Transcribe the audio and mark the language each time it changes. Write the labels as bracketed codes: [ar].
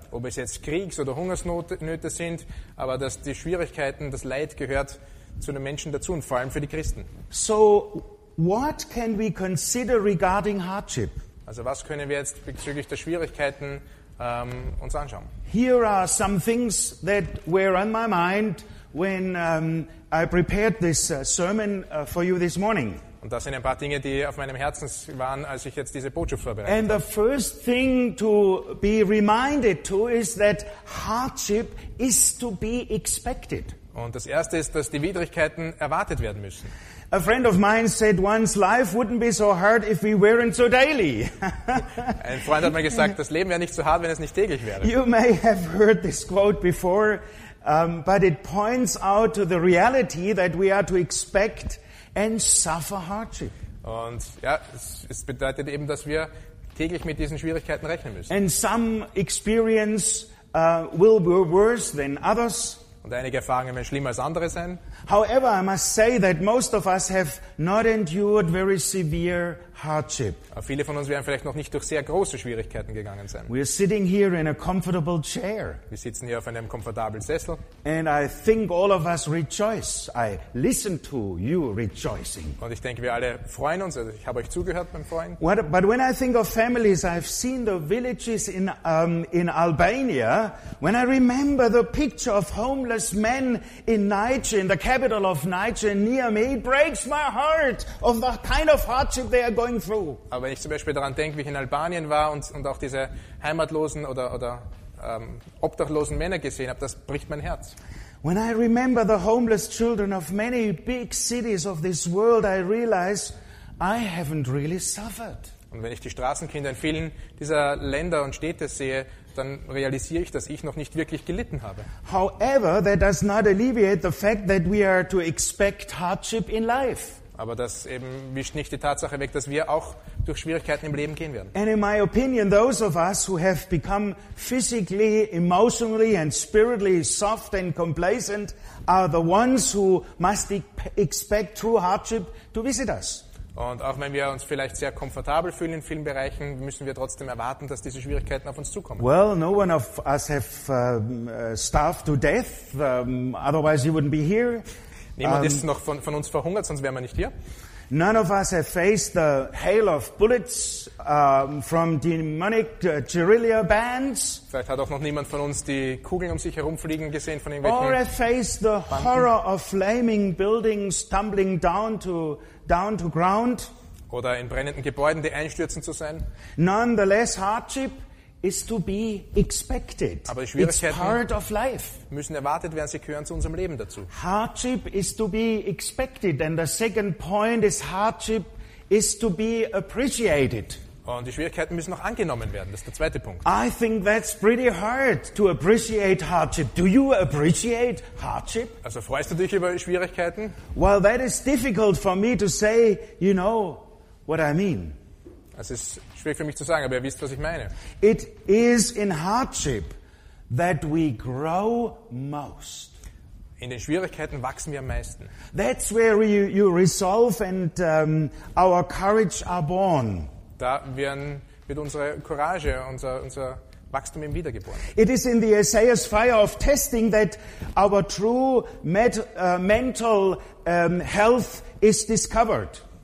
[de] Ob es jetzt Kriegs- oder Hungersnöte sind, aber dass die Schwierigkeiten, das Leid gehört zu den Menschen dazu und vor allem für die Christen. [en] So, what can we consider regarding hardship? [de] Also was können wir jetzt bezüglich der Schwierigkeiten uns anschauen? [en] Here are some things that were on my mind when I prepared this sermon for you this morning. [de] Und das sind ein paar Dinge, die auf meinem Herzen waren, als ich jetzt diese Botschaft vorbereitet habe. [en] And the first thing to be reminded to is that hardship is to be expected. [de] Und das erste ist, dass die Widrigkeiten erwartet werden müssen. [en] A friend of mine said once, life wouldn't be so hard if we weren't so daily. [de] Ein Freund hat mir gesagt, das Leben wäre nicht so hart, wenn es nicht täglich wäre. [en] You may have heard this quote before, but it points out to the reality that we are to expect and suffer hardship. [de] Und ja, es bedeutet eben, dass wir täglich mit diesen Schwierigkeiten rechnen müssen. [en] And some experience will be worse than others. [de] Und einige Erfahrungen werden schlimmer als andere sein. [en] However, I must say that most of us have not endured very severe hardship. [de] Aber viele von uns werden vielleicht noch nicht durch sehr große Schwierigkeiten gegangen sein. [en] We are sitting here in a comfortable chair. [de] Wir sitzen hier auf einem komfortablen Sessel. [en] And I think all of us rejoice. I listen to you rejoicing. [de] Und ich denke, wir alle freuen uns. Also ich habe euch zugehört, mein Freund. [en] But when I think of families, I've seen the villages in Albania. When I remember the picture of homeless men in Niger, in the capital of Niger, Niamey, it breaks my heart of the kind of hardship they are going through. [de] Aber wenn ich zum Beispiel daran denke, wie ich in Albanien war und auch diese heimatlosen oder obdachlosen Männer gesehen habe, das bricht mein Herz. [en] When I remember the homeless children of many big cities of this world, I realize I haven't really suffered. [de] Und wenn ich die Straßenkinder in vielen dieser Länder und Städte sehe, dann realisiere ich, dass ich noch nicht wirklich gelitten habe. [en] However, that does not alleviate the fact that we are to expect hardship in life. [de] Aber das eben wischt nicht die Tatsache weg, dass wir auch durch Schwierigkeiten im Leben gehen werden. [en] And in my opinion, those of us who have become physically, emotionally and spiritually soft and complacent are the ones who must expect true hardship to visit us. [de] Und auch wenn wir uns vielleicht sehr komfortabel fühlen in vielen Bereichen, müssen wir trotzdem erwarten, dass diese Schwierigkeiten auf uns zukommen. [en] Well, no one of us have starved to death, otherwise you wouldn't be here. [de] Niemand ist noch von uns verhungert, sonst wären wir nicht hier. [en] None of us have faced the hail of bullets from demonic guerrilla bands. [de] Vielleicht hat auch noch niemand von uns die Kugeln um sich herumfliegen gesehen von irgendwelchen Banden. [en] Or have faced the horror of flaming buildings tumbling down to ground. [de] Oder in brennenden Gebäuden, die einstürzen zu sein. [en] Nonetheless, hardship is to be expected. [de] Aber die Schwierigkeiten müssen erwartet werden, sie gehören zu unserem Leben dazu. [en] Hardship is to be expected. And the second point is hardship is to be appreciated. [de] Und die Schwierigkeiten müssen noch angenommen werden. Das ist der zweite Punkt. [en] I think that's pretty hard to appreciate hardship. Do you appreciate hardship? [de] Also freust du dich über Schwierigkeiten? [en] Well, that is difficult for me to say, you know what I mean. [de] Es ist schwierig für mich zu sagen, aber ihr wisst, was ich meine. [en] It is in hardship that we grow most. [de] In den Schwierigkeiten wachsen wir am meisten. [en] That's where you resolve and our courage are born. [de] Da werden mit unserer Courage unser Wachstum eben wiedergeboren. [en] It is in the Isaiah's fire of testing that our true mental health is discovered.